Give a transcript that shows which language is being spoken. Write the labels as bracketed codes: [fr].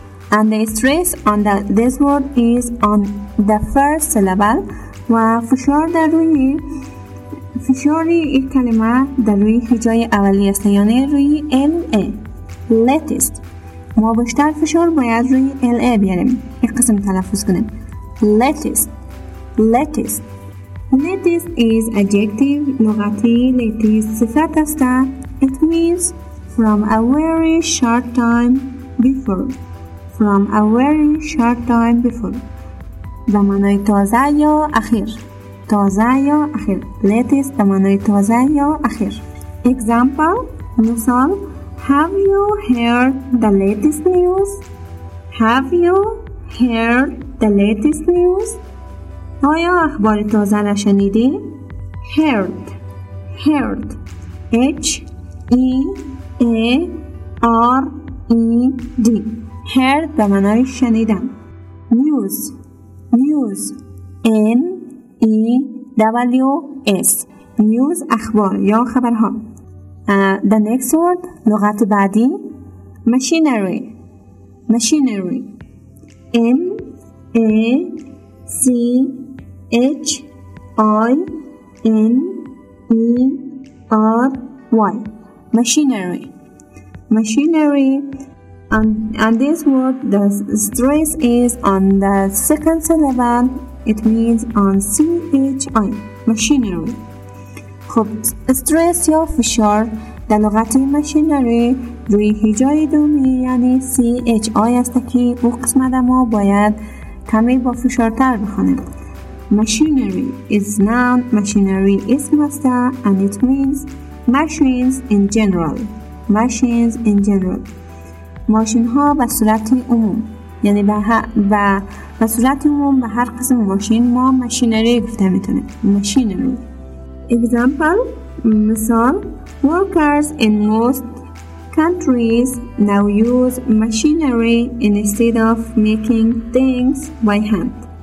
[en] And the stress on the this word is on the first syllable. [fa] و فشار در روی فشاری این کلمه در روی هجای اولی است یعنی روی L A latest. ما بیشتر فشار باید روی L A بیاریم این قسم تلفظ کنیم. [en] latest latest latest is adjective [fa] لغتی latest صفت است. [en] It means from a very short time before. From a very short time before. [fa] به معنای تازه یا اخیر. تازه یا اخیر. latest به معنای تازه یا اخیر. [en] example مثال have you heard the latest news? Have you heard the latest news? [fa] آیا اخبار تازه را شنیدی؟ heard heard H E A R E D heard به معنای شنیدم. [en] news news N E W S news [fa] اخبار یا خبرها. [en] The next word [fa] لغت بعدی [en] machinery machinery M A C H I N E R Y machinery machinery. And this word the stress is on the second syllable. It means on CHI machinery. [fa] خب stress یا فشار در لغت machinery روی هجای دومی یعنی CHI است که او قسمت ما باید کمی با فشارتر بخونیم. [en] Machinery is noun. Machinery is master and it means machines in general. Machines in general. [fa] ماشین ها به صورت عموم یعنی به صورت عموم به هر قسم ماشین ما ماشینری گفته میتونه. ماشینری. [en] Example, مثال, workers in most countries now use machinery instead of making things by hand.